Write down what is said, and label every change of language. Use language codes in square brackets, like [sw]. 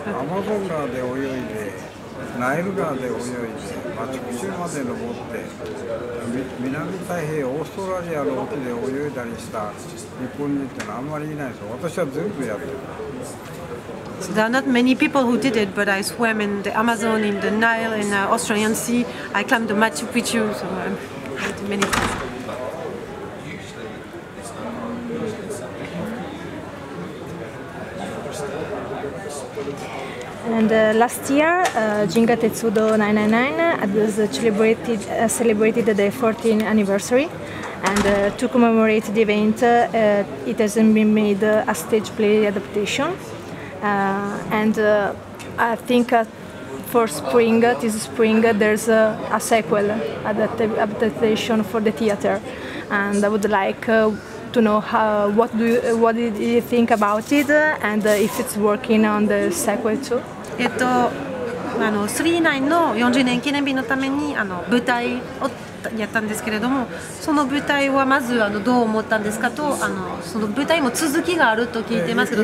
[ja] Amazon で泳いで、ナイル川で泳いで、マチュピチュまで登って、南太平洋、オーストラリアの沖で泳いだりした日本人ってのはあんまりいないです。私は全部やってる。 [en] So there are not many people who did it, but I swam in the Amazon, in the Nile, in the Australian Sea. I climbed the Machu Picchu, so I did many things. And last year, Jinga Tetsudo 999 celebrated the 14th anniversary. And to commemorate the event, it has been made a stage play adaptation. I think for spring, this spring, there's a sequel adaptation for the theater, and I would like to know what do you think about it, and if it's working on the sequel too. [ja] 39の40年記念日のために舞台をやったんですけれども、その舞台はまずどう思ったんですかと、その舞台も続きがあると聞いてますけど。